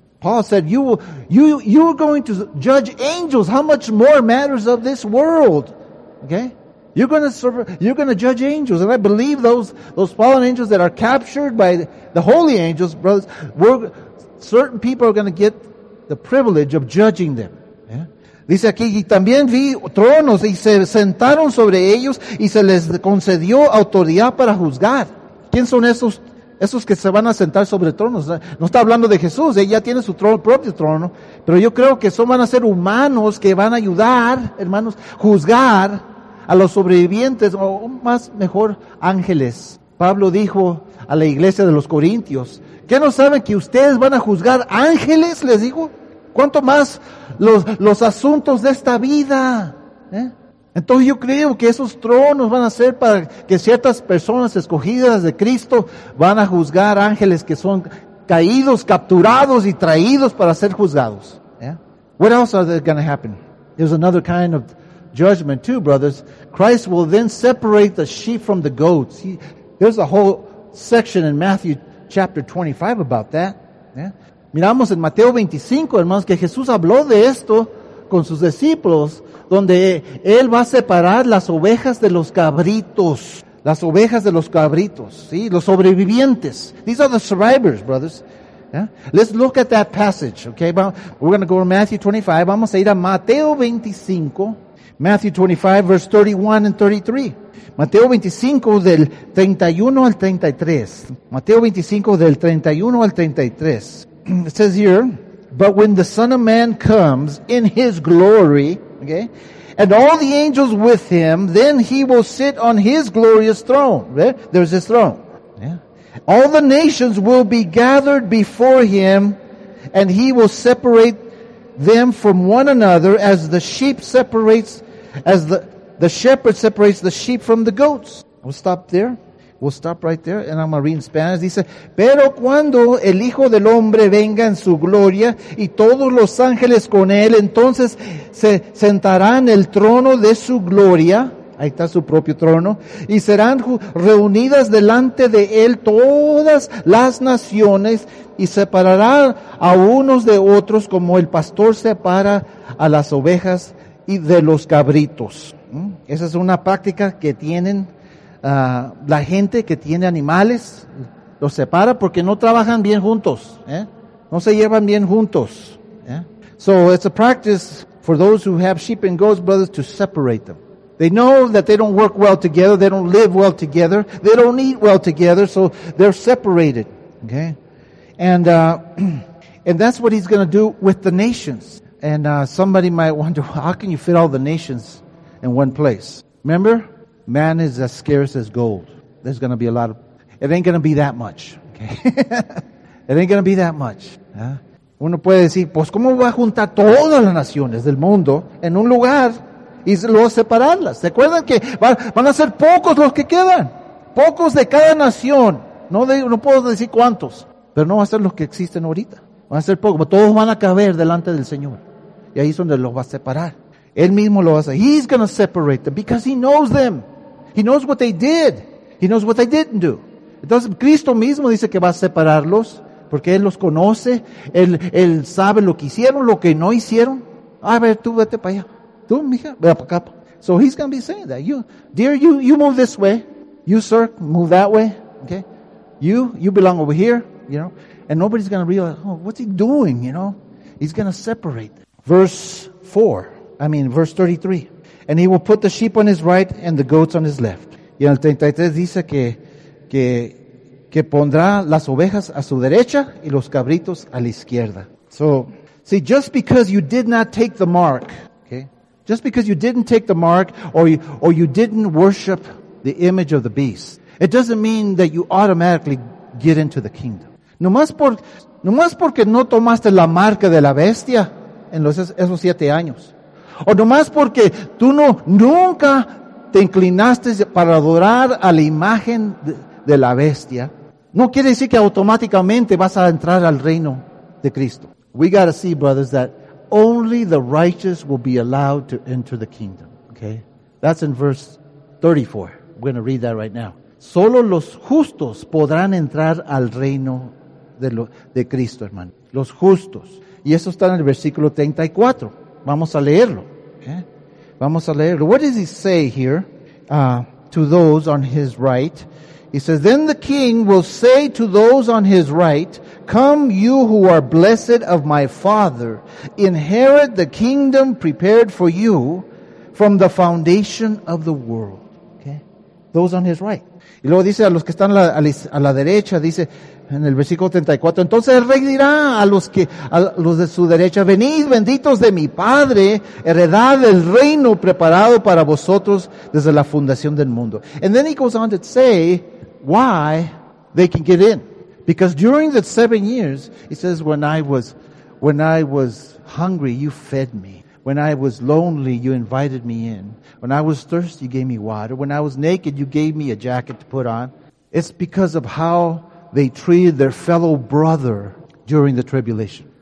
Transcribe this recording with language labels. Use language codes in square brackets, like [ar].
[en] Paul said, you're going to judge angels. How much more matters of this world, okay? You're going to judge angels. And I believe those fallen angels that are captured by the holy angels, brothers, certain people are going to get the privilege of judging them. [es] Dice aquí, y también vi tronos y se sentaron sobre ellos y se les concedió autoridad para juzgar. ¿Quién son esos que se van a sentar sobre tronos? No está hablando de Jesús, él ya tiene su propio trono, pero yo creo que van a ser humanos que van a ayudar, hermanos, juzgar a los sobrevivientes, o más mejor, ángeles. Pablo dijo a la iglesia de los Corintios, ¿qué no saben que ustedes van a juzgar ángeles? Les dijo. ¿Cuánto más los asuntos de esta vida? Entonces yo creo que esos tronos van a ser para que ciertas personas escogidas de Cristo van a juzgar ángeles que son caídos, capturados y traídos para ser juzgados. [en] What else are they going to happen? There's another kind of judgment too, brothers. Christ will then separate the sheep from the goats. There's a whole section in Matthew chapter 25 about that. [es] Miramos en Mateo 25, hermanos, que Jesús habló de esto con sus discípulos, donde Él va a separar las ovejas de los cabritos. Las ovejas de los cabritos, ¿sí? Los sobrevivientes. [en] These are the survivors, brothers. Yeah? Let's look at that passage, okay? We're going to go to Matthew 25. [es] Vamos a ir a Mateo 25. [en] Matthew 25, verse 31 and 33. [es] Mateo 25, del 31 al 33. Mateo 25, del 31 al 33. [en] It says here, but when the Son of Man comes in his glory, okay, and all the angels with him, then he will sit on his glorious throne. Right? There's his throne. Yeah. All the nations will be gathered before him, and he will separate them from one another as the shepherd separates the sheep from the goats. We'll stop there. We'll stop right there, and I'm going to read in Spanish. [es] Dice, pero cuando el Hijo del Hombre venga en su gloria, y todos los ángeles con él, entonces se sentarán el trono de su gloria, ahí está su propio trono, y serán reunidas delante de él todas las naciones, y separará a unos de otros, como el pastor separa a las ovejas y de los cabritos. Esa es una práctica que tienen la gente que tiene animales, los separa porque no trabajan bien juntos, ¿eh? No se llevan bien juntos. Yeah? [en] So it's a practice for those who have sheep and goats, brothers, to separate them. They know that they don't work well together. They don't live well together. They don't eat well together. So they're separated. Okay, and that's what he's going to do with the nations. And somebody might wonder, how can you fit all the nations in one place? Remember, man is as scarce as gold. There's going to be a lot of. It ain't going to be that much. Okay, it ain't going to be that much. Yeah? [es] Uno puede decir, pues, ¿cómo va a juntar todas las naciones del mundo en un lugar? Y luego separarlas. ¿Se acuerdan que van a ser pocos los que quedan? Pocos de cada nación. No puedo decir cuántos. Pero no van a ser los que existen ahorita. Van a ser pocos. Pero todos van a caber delante del Señor. Y ahí es donde los va a separar. Él mismo lo va a hacer. [en] He's going to separate them because he knows them. He knows what they did. He knows what they didn't do. [es] Entonces, Cristo mismo dice que va a separarlos. Porque Él los conoce. Él sabe lo que hicieron, lo que no hicieron. A ver, tú vete para allá. Tú, mija, ve para acá. [en] So he's going to be saying that. You move this way. You, sir, move that way. Okay? You belong over here, you know? And nobody's going to realize, oh, what's he doing, you know? He's going to separate. Verse 33. And he will put the sheep on his right and the goats on his left. [es] Y en el 33 dice que pondrá las ovejas a su derecha y los cabritos a la izquierda. [en] So, see, just because you did not take the mark, okay? Just because you didn't take the mark or you didn't worship the image of the beast, it doesn't mean that you automatically get into the kingdom. [es] Nomás porque no tomaste la marca de la bestia en esos 7 años. O nomás porque tú nunca te inclinaste para adorar a la imagen de la bestia, no quiere decir que automáticamente vas a entrar al reino de Cristo. [en] We gotta see, brothers, that only the righteous will be allowed to enter the kingdom. Okay? That's in verse 34. We're going to read that right now. [es] Solo los justos podrán entrar al reino de Cristo, hermano. Los justos. Y eso está en el versículo 34. Vamos a leerlo. Okay? Vamos a leerlo. [en] What does he say here to those on his right? He says, then the king will say to those on his right, come you who are blessed of my father, inherit the kingdom prepared for you from the foundation of the world. Okay? Those on his right. [es] Y luego dice a los que están a la derecha, dice en el versículo 34, entonces el rey dirá a los de su derecha, venid benditos de mi padre, heredad del reino preparado para vosotros desde la fundación del mundo. [en] And then he goes on to say, why they can get in. Because during the 7 years, he says, when I was hungry, you fed me. When I was lonely, you invited me in. When I was thirsty, you gave me water. When I was naked, you gave me a jacket to put on. It's because of how they treated their fellow brother during the tribulation.